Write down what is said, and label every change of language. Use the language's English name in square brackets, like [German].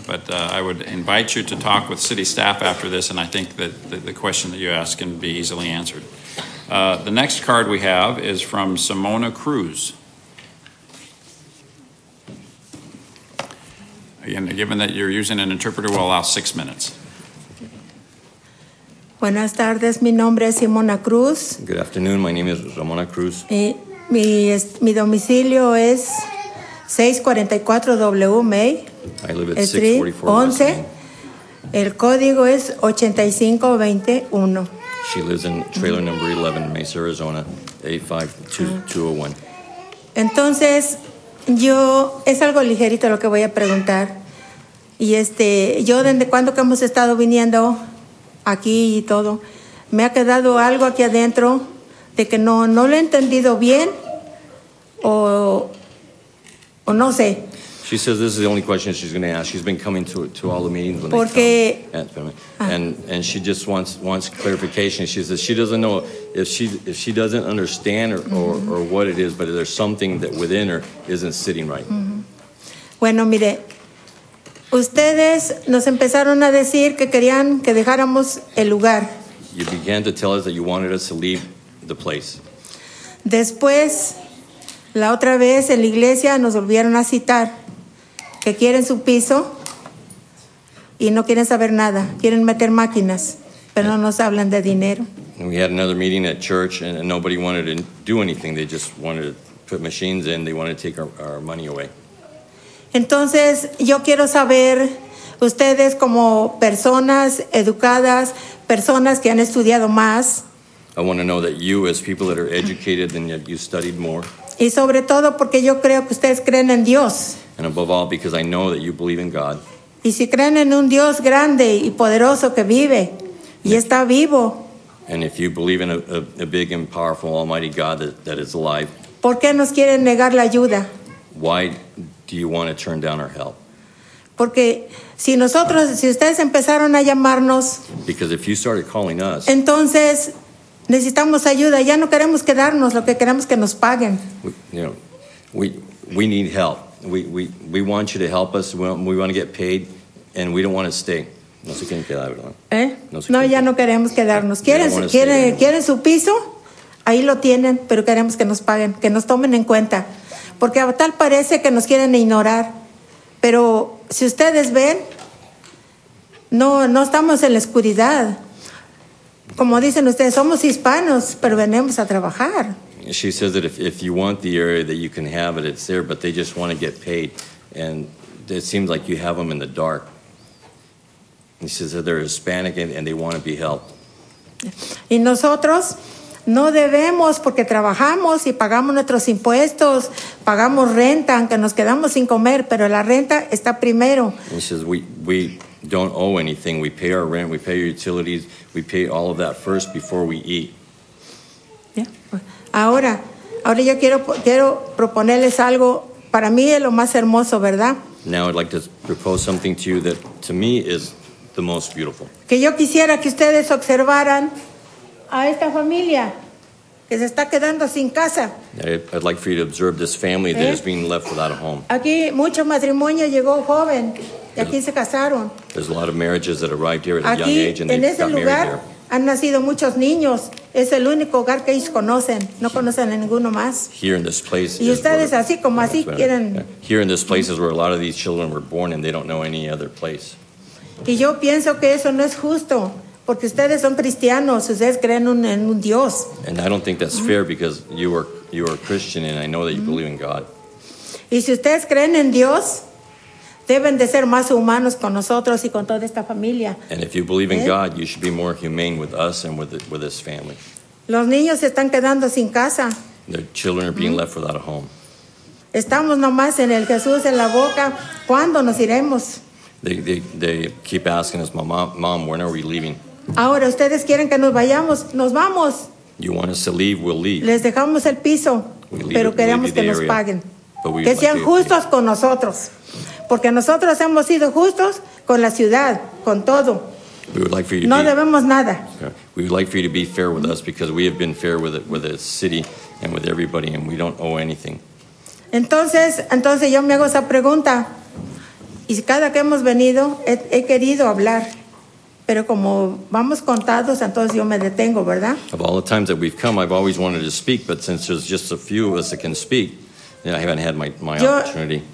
[English] But I would invite you to talk with city staff after this, and I think that the question that you ask can be easily answered. The next card we have is from Simona Cruz. Again, given that you're using an interpreter, we'll allow 6 minutes. [Spanish] Buenas tardes, mi nombre es Simona Cruz. [English] Good afternoon, my name is Ramona Cruz. [Spanish] Mi domicilio es 644 W May. [English] I live at 644 [Spanish] 11. El código es 85201. [English] She lives in trailer number 11, Mesa, Arizona, 852201. [Spanish] Entonces, yo, es algo ligerito lo que voy a preguntar. Y yo, ¿desde cuándo que hemos estado viniendo aquí y todo? Me ha quedado algo aquí adentro de que no lo he entendido bien o no sé. [English] She says this is the only question she's going to ask. She's been coming to all the meetings when [Spanish] porque, [English] they come. And she just wants clarification. She says she doesn't know if she doesn't understand or what it is, but there's something that within her isn't sitting right. Mm-hmm. [Spanish] Bueno, mire, ustedes nos empezaron a decir que querían que dejáramos el lugar. [English] You began to tell us that you wanted us to leave the place. [Spanish] Después, la otra vez en la iglesia nos volvieron a citar que quieren su piso y no quieren saber nada. Quieren meter máquinas, pero no nos hablan de dinero. [English] We had another meeting at church and nobody wanted to do anything. They just wanted to put machines in. They wanted to take our money away. [Spanish] Entonces, yo quiero saber, ustedes como personas educadas, personas que han estudiado más. [English] I want to know that you, as people that are educated and yet you studied more. [Spanish] Y sobre todo porque yo creo que ustedes creen en Dios. [English] And above all, because I know that you believe in God. [Spanish] Y si creen en un Dios grande y poderoso que vive y está vivo. [English] And if you believe in a big and powerful Almighty God that is alive. [Spanish] ¿Por qué nos quieren negar la ayuda? [English] Why do you want to turn down our help? [Spanish] Porque si nosotros, si ustedes empezaron a llamarnos. [English] Because if you started calling us. [Spanish] Entonces necesitamos ayuda. Ya no queremos quedarnos. Lo que queremos que nos paguen. [English] We, you know, we need help. We want you to help us. We want to get paid, and we don't want to stay. [Spanish] No se quieren quedar, ¿verdad? ¿Eh? No, ya no queremos quedarnos. ¿Quieren su piso? Ahí lo tienen, pero queremos que nos paguen, que nos tomen en cuenta. Porque a tal parece que nos quieren ignorar. Pero si ustedes ven, no estamos en la oscuridad. Como dicen ustedes, somos hispanos, pero venimos a trabajar. [English] She says that if you want the area that you can have it, it's there, but they just want to get paid. And it seems like you have them in the dark. And she says that they're Hispanic and they want to be helped. [Spanish] Y nosotros no debemos porque trabajamos y pagamos nuestros impuestos, pagamos renta, aunque nos quedamos sin comer, pero la renta está primero. [English] And she says we don't owe anything. We pay our rent, we pay our utilities, we pay all of that first before we eat. Yeah. [Spanish] Ahora yo quiero proponerles algo. Para mí es lo más hermoso, ¿verdad? [English] Now I'd like to propose something to you that to me is the most beautiful. [Spanish] Que yo quisiera que ustedes observaran a esta familia que se está quedando sin casa. [English] I'd like for you to observe this family that is being left without a home. [Spanish] Aquí mucho matrimonio llegó joven. Y aquí se casaron. [English] There's a lot of marriages that arrived here at [Spanish] aquí, [English] a young age and they got married here. [Spanish] En ese lugar han nacido muchos niños. Es el único hogar que ellos conocen. No conocen a ninguno más. [English] Here in this place. [Spanish] Y ustedes así como así quieren. [English] Here in this place is where a lot of these children were born and they don't know any other place. [Spanish] Y yo pienso que eso no es justo porque ustedes son cristianos. Ustedes creen en un Dios. [English] And I don't think that's fair because you are a Christian and I know that you believe in God. [Spanish] Y si ustedes creen en Dios. Deben de ser más humanos con nosotros y con toda esta familia. [English] And if you believe in God, you should be more humane with us and with this family. [Spanish] Los niños se están quedando sin casa. [English] Their children are being left without a home. [Spanish] Estamos nomás en el Jesús en la boca. ¿Cuándo nos iremos? [English] They keep asking us, Mom, when are we leaving? [Spanish] Ahora, ustedes quieren que nos vayamos. Nos vamos. [English] You want us to leave, we'll leave. [Spanish] Les dejamos el piso, pero queremos que nos paguen. Que sean justos con nosotros. Porque nosotros hemos sido justos con la ciudad, con todo. [English] We would like for you to [Spanish] no [English] be, [Spanish] debemos nada. [English] We would like for you to be fair with us because we have been fair with the city and with everybody and we don't owe anything. [Spanish] Entonces yo me hago esa pregunta. Y cada que hemos venido, he querido hablar. Pero como vamos contados, entonces yo me detengo, ¿verdad? [English] Of all the times that we've come, I've always wanted to speak, but since there's just a few of us that can speak, I haven't had my opportunity.